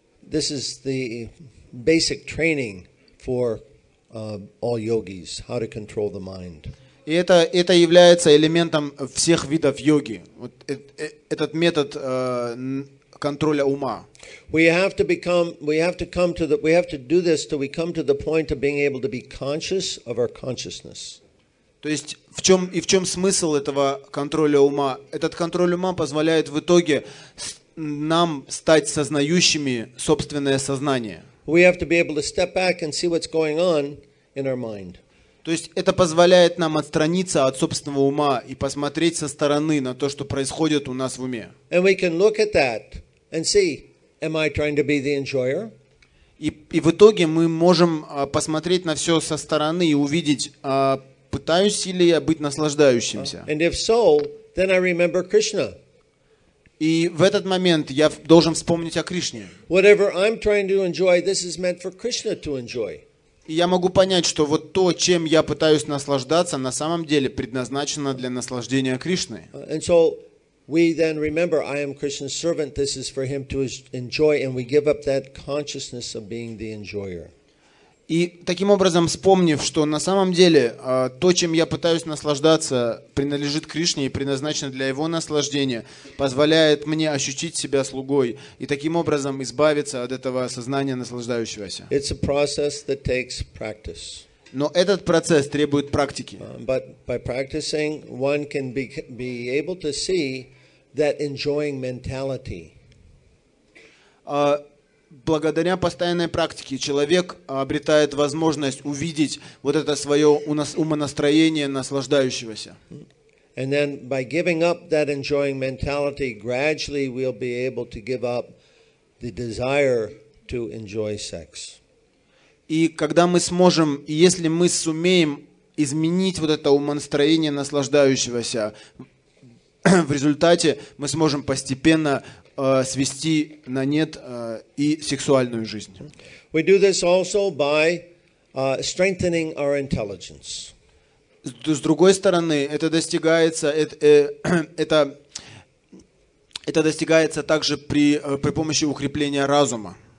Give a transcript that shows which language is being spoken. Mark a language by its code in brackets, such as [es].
[en] This is the basic training for all yogis, how to control the mind. [ru] И это является элементом всех видов йоги. Вот этот метод контроля ума. [en] We have to do this till we come to the point of being able to be conscious of our consciousness. [ru] То есть в чем смысл этого контроля ума? Этот контроль ума позволяет в итоге нам стать сознающими собственное сознание. [en] We have to be able to step back and see what's going on in our mind. [ru] То есть это позволяет нам отстраниться от собственного ума и посмотреть со стороны на то, что происходит у нас в уме. [en] And we can look at that and see, am I trying to be the enjoyer? [ru] И в итоге мы можем посмотреть на все со стороны и увидеть, пытаюсь ли я быть наслаждающимся. [en] And if so, then I remember Krishna. [ru] И в этот момент я должен вспомнить о Кришне. [en] Whatever I'm trying to enjoy, this is meant for Krishna to enjoy. [ru] И я могу понять, что вот то, чем я пытаюсь наслаждаться, на самом деле предназначено для наслаждения Кришны. [en] And so we then remember, I am Krishna's servant. This is for him to enjoy, and we give up that consciousness of being the enjoyer. [ru] И таким образом, вспомнив, что на самом деле то, чем я пытаюсь наслаждаться, принадлежит Кришне и предназначено для его наслаждения, позволяет мне ощутить себя слугой и таким образом избавиться от этого сознания наслаждающегося. [en] It's a process that takes practice. [ru] Но этот процесс требует практики. [en] But by practicing, one can be able to see that enjoying mentality. [ru] Благодаря постоянной практике человек обретает возможность увидеть вот это свое умонастроение наслаждающегося. [en] And then by giving up that enjoying mentality, gradually we'll be able to give up the desire to enjoy sex. [ru] И когда мы сможем, если мы сумеем изменить вот это умонастроение наслаждающегося, в результате мы сможем постепенно свести на нет и сексуальную жизнь. [en] We do this also by strengthening our intelligence. [ru] С другой стороны, это достигается также при помощи укрепления разума.